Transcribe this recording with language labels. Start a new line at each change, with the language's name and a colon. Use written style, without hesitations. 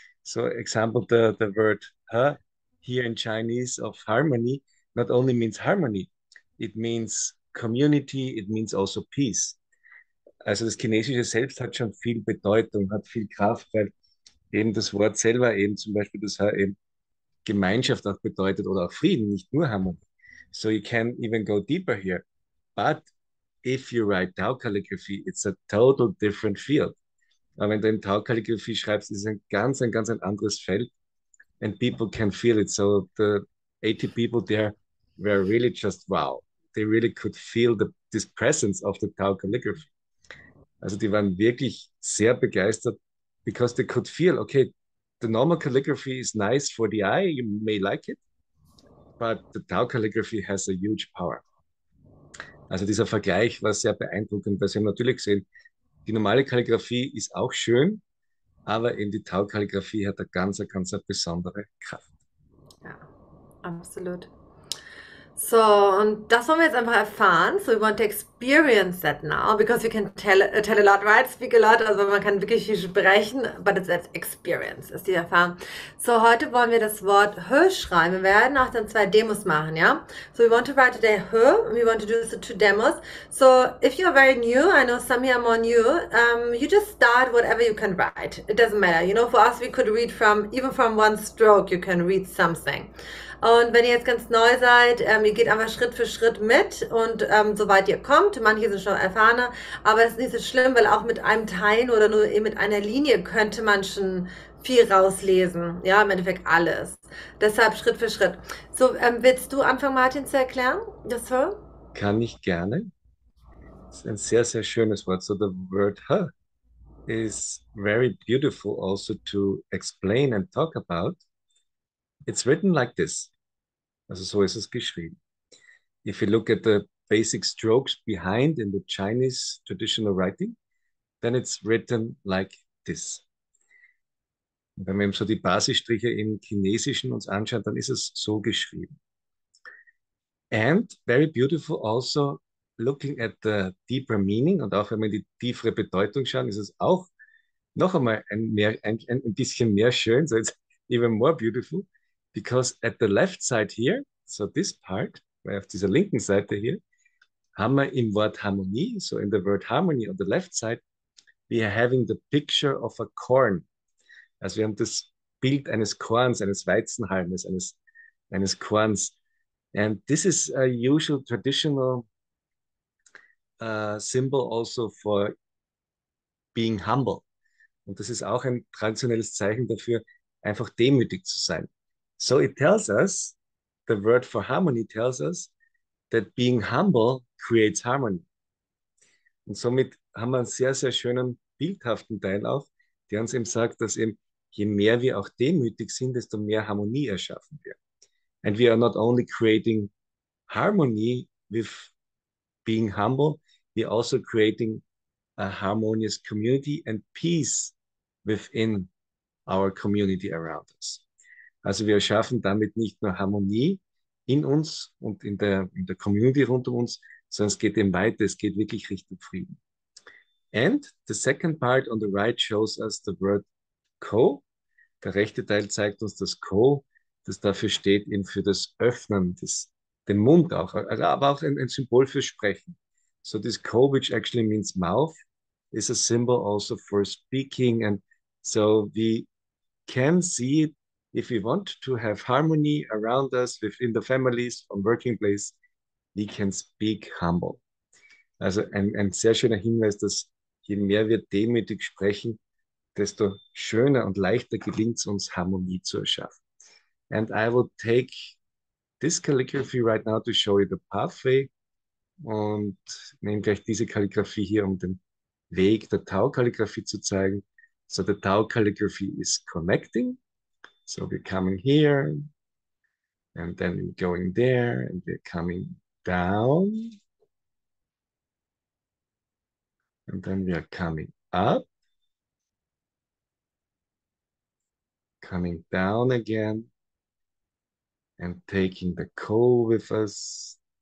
English: So, example, the word He here in Chinese of harmony not only means harmony, it means community, it means also peace.
German: Also das Chinesische selbst hat schon viel Bedeutung, hat viel Kraft, weil eben das Wort selber eben zum Beispiel das He eben Gemeinschaft auch bedeutet oder auch Frieden, nicht nur Harmonie.
English: So you can even go deeper here. But if you write Tao Calligraphy, it's a total different field.
German: Aber wenn du in Tao Calligraphy schreibst, ist es ganz ein anderes Feld.
English: And people can feel it. So the 80 people there were really just wow. They really could feel this presence of the Tao Calligraphy.
German: Also die waren wirklich sehr begeistert,
English: because they could feel, okay, the normal calligraphy is nice for the eye, you may like it, but the Tao calligraphy has a huge power.
German: Also dieser Vergleich war sehr beeindruckend, weil Sie haben natürlich gesehen, die normale Kalligraphie ist auch schön, aber eben die Tao calligraphy hat eine ganz besondere Kraft. Absolut. So, und das wollen wir jetzt einfach erfahren.
English: So, we want to experience that now, because we can tell a lot, right? Speak a lot.
German: Also, man kann wirklich viel sprechen,
English: but it's that experience,
German: ist die Erfahrung. So, heute wollen wir das Wort H schreiben. Wir werden auch dann zwei Demos machen, ja?
English: So, we want to write today H, we want to do the two Demos. So, if you are very new, I know some here are more new, you just start whatever you can write. It doesn't matter. You know, for us, we could read from, even from one stroke, you can read something.
German: Und wenn ihr jetzt ganz neu seid, ihr geht einfach Schritt für Schritt mit und soweit ihr kommt, manche sind schon erfahrener, aber es ist nicht so schlimm, weil auch mit einem Teil oder nur eben mit einer Linie könnte man schon viel rauslesen. Ja, im Endeffekt alles. Deshalb Schritt für Schritt. So, willst du anfangen, Martin, zu erklären? Das so? Kann ich gerne. Das ist ein sehr schönes Wort.
English: So, the word her is very beautiful also to explain and talk about. It's written like this.
German: Also, so ist es geschrieben.
English: If you look at the basic strokes behind in the Chinese traditional writing, then it's written like this.
German: Und wenn man so die Basisstriche im Chinesischen uns anschaut, dann ist es so geschrieben.
English: And very beautiful also looking at the deeper meaning
German: und auch wenn wir die tiefere Bedeutung schauen, ist es auch noch einmal ein bisschen mehr schön,
English: so it's even more beautiful, because at the left side here, so this part,
German: weil auf dieser linken Seite hier, haben wir im Wort Harmonie,
English: so in the word harmony on the left side, we are having the picture of a corn.
German: Also wir haben das Bild eines Korns, eines Weizenhalmes, eines Korns.
English: And this is a usual traditional symbol also for being humble.
German: Und das ist auch ein traditionelles Zeichen dafür, einfach demütig zu sein.
English: So it tells us, the word for harmony tells us that being humble creates harmony.
German: Und somit haben wir einen sehr, sehr schönen bildhaften Teil auch, der uns eben sagt, dass eben je mehr wir auch demütig sind, desto mehr Harmonie erschaffen wir.
English: And we are not only creating harmony with being humble, we are also creating a harmonious community and peace within our community around us.
German: Also wir erschaffen damit nicht nur Harmonie in uns und in der Community rund um uns, sondern es geht eben weiter, es geht wirklich Richtung Frieden.
English: And the second part on the right shows us the word Co.
German: Der rechte Teil zeigt uns das Co, das dafür steht eben für das Öffnen, den Mund auch, aber auch ein Symbol für Sprechen.
English: So this Co, which actually means mouth, is a symbol also for speaking. And so we can see it, if we want to have harmony around us, within the families, from working place, we can speak humble.
German: Also ein sehr schöner Hinweis, dass je mehr wir demütig sprechen, desto schöner und leichter gelingt es uns, Harmonie zu erschaffen.
English: And I will take this calligraphy right now to show you the pathway.
German: Und nehme gleich diese Kalligraphie hier, um den Weg der Tau-Kalligraphie zu zeigen.
English: So the Tau-Kalligraphy is connecting. So we're coming here, and then we're going there, and we're coming down, and then we are coming up, coming down again, and taking the Ko with us.